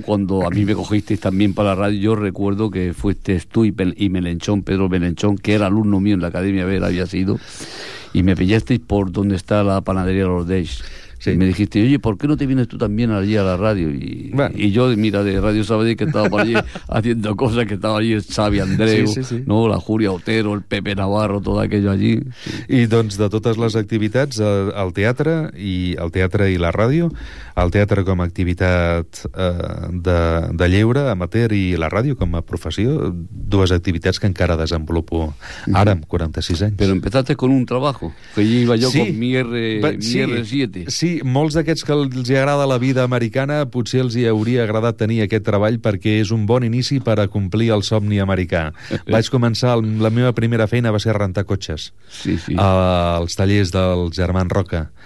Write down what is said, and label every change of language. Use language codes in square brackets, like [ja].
[es] Cuando a mí me cogisteis también para la radio, yo recuerdo que fuisteis tú y Melenchón, Pedro Melenchón, que era alumno mío en la academia, ver, había sido, y me pillasteis por donde está la panadería Los Deix. Sí. Y me dijiste, oye, ¿por qué no te vienes tú también allí a la radio? Y, bueno, y yo, mira, de Radio Sabadell, que estaba por allí haciendo cosas, que estaba allí Xavi Andreu, sí. ¿No? La Júlia Otero, el Pepe Navarro, todo aquello allí. Sí. [ca] I doncs, de totes les activitats, el teatre i la ràdio, el teatre com a activitat de lleure, amateur, i la ràdio com a professió, dues activitats que encara desenvolupo ara, amb 46 anys. [es] Pero empezaste con un trabajo, que allí iba yo sí. Con mi R7. [ca] Sí, molts d'aquests que els agrada la vida americana potser els hi hauria agradat tenir aquest treball perquè és un bon inici per a complir el somni americà. Vaig començar, la meva primera feina va ser rentar cotxes. Sí, sí. Als tallers del Germà Roca.